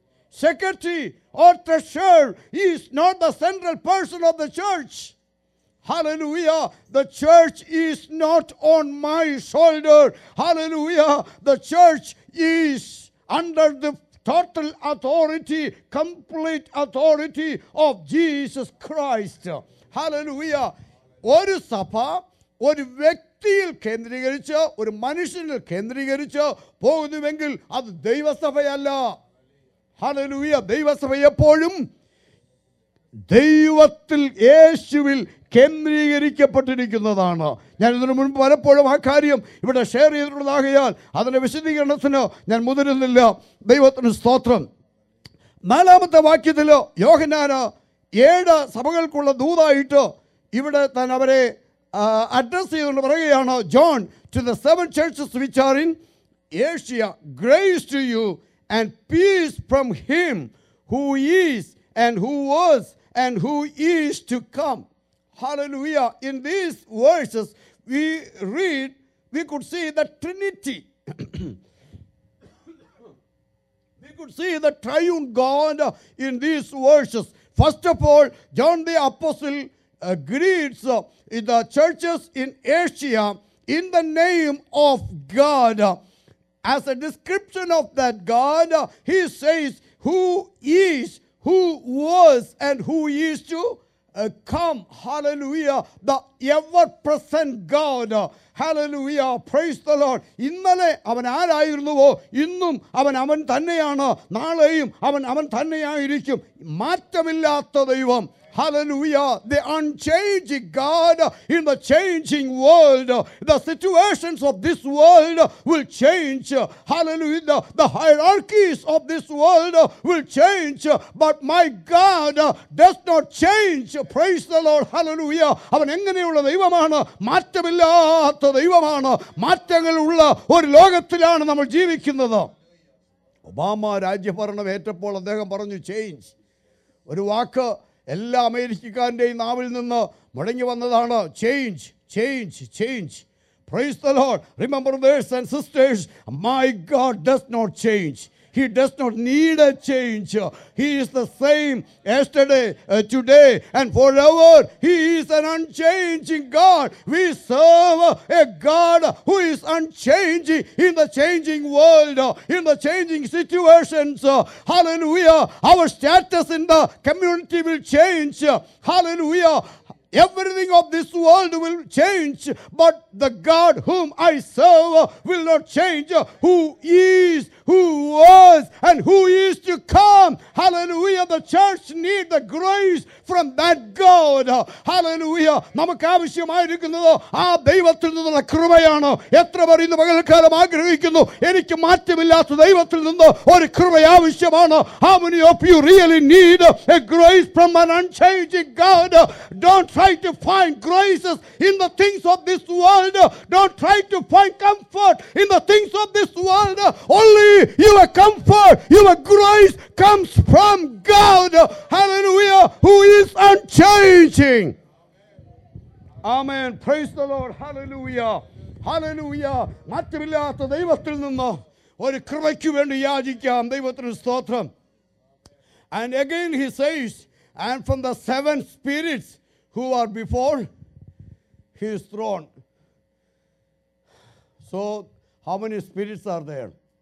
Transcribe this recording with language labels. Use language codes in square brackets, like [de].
[en] Secretary or treasurer is not the central person of the church. Hallelujah. The church is not on my shoulder. Hallelujah. The church is under the total authority, complete authority of Jesus Christ. Hallelujah. [ml] ഒരു സഭ ഒരു വ്യക്തിയിൽ കേന്ദ്രീകരിച്ച് ഒരു മനുഷ്യനിൽ കേന്ദ്രീകരിച്ച് പോകുന്നുവെങ്കിൽ അത് ദൈവസഭയല്ല. ഹല്ലേലൂയ. ദൈവസഭ എപ്പോഴും ദൈവത്തിൽ യേശുവിൽ കേന്ദ്രീകരിക്കപ്പെട്ടിരിക്കുന്നതാണ്. ഞാൻ ഇതിനു മുൻപ് പലപ്പോഴും ആ കാര്യം ഇവിടെ ഷെയർ ചെയ്തിട്ടുള്ളതാകയാൽ അതിൻ്റെ വിശദീകരണത്തിന് ഞാൻ മുതിരുന്നില്ല. ദൈവത്തിന് സ്തോത്രം. നാലാമത്തെ വാക്യത്തിൽ യോഹന്നാൻ 7 സഭകൾക്കുള്ള ദൂതായിട്ട് ഇവിടെ താൻ അവരെ അഡ്രസ് ചെയ്തുകൊണ്ട് പറയുകയാണ്, [en] John to the 7 churches which are in Asia, grace to you and peace from him who is and who was and who is to come. Hallelujah. In these verses, we read, we could see the Trinity. We could see the triune God in these verses. First of all, John the Apostle greets the churches in Asia in the name of God. As a description of that God, he says, who is, who was, and who is to come. Hallelujah. The ever-present God. Hallelujah. Praise the Lord. [ml] ഇന്നലെ അവൻ ആരായിരുന്നുവോ ഇന്നും അവൻ അവൻ തന്നെയാണ്, നാളെയും അവൻ അവൻ തന്നെയായിരിക്കും. മാറ്റമില്ലാത്ത ദൈവം. Hallelujah. [en] The unchanging God in the changing world. The situations of this world will change. Hallelujah. The hierarchies of this world will change. But my God does not change. Praise the Lord. [ml] Hallelujah. അവൻ എങ്ങനെയുള്ള ദൈവമാണ്? മാറ്റമില്ലാത്ത ദൈവമാണ്. മാറ്റങ്ങളുള്ള ഒരു ലോകത്തിലാണ് നമ്മൾ ജീവിക്കുന്നത്. Obama രാജ്യഭരണം ഏറ്റപ്പോൾ അദ്ദേഹം പറഞ്ഞു, ചേഞ്ച്. ഒരു വാക്ക് എല്ലാ അമേരിക്കക്കാരൻ്റെയും നാവിൽ നിന്ന് മുടങ്ങി വന്നതാണ്, change, change, change. [en] Praise the Lord. Remember brothers and sisters, my God does not change. He does not need a change. He is the same yesterday, today, and forever. He is an unchanging God. We serve a God who is unchanging in the changing world, in the changing situations. Hallelujah. Our status in the community will change. Hallelujah. Everything of this world will change, but the God whom I serve will not change. Who is, who was, and who is to come. Hallelujah. The church needs the grace from that God. Hallelujah. [ml] നമുക്ക് ആവശ്യമായിരിക്കുന്നത് ആ ദൈവത്തിൽ നിന്നുള്ള കൃപയാണ്. എത്ര പറയുന്നു പകൽക്കാലം ആഗ്രഹിക്കുന്നു, എനിക്ക് മാറ്റമില്ലാത്ത ദൈവത്തിൽ നിന്ന് ഒരു കൃപ ആവശ്യമാണ്. [en] How many of you really need a grace from an unchanging God? Don't try to find graces in the things of this world. Don't try to find comfort in the things of this world. Only your comfort, your grace comes from God. Hallelujah. Who is unchanging. Amen. Praise the Lord. Hallelujah. Hallelujah. [ml] മാറ്റമില്ലാത്ത ദൈവത്തിൽ നിന്ന് ഒരു കൃപയ്ക്ക് വേണ്ടി യാചിക്കാം. ദൈവത്തിന് സ്തോത്രം. [en] And again he says, and from the seven spirits who are before his throne. So how many spirits are there?